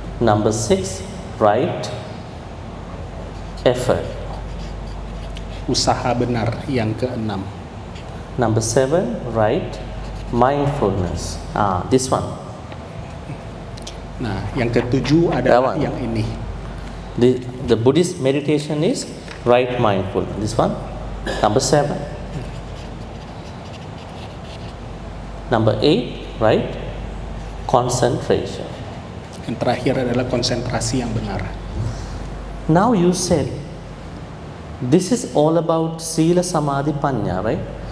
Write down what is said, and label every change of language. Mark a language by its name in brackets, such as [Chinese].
[English] Number 6, right effort. [Indonesian] Usaha benar, yang keenam. [English] Number 7, right mindfulness. This one. [Indonesian] Nah, yang ketujuh adalah yang ini. [English] The Buddhist meditation is right mindfulness. This one, number 7. Number 8, right concentration. [Indonesian] Yang terakhir adalah konsentrasi yang benar. [English] Now you said this is all about Sila, Samadhi, Panya, right?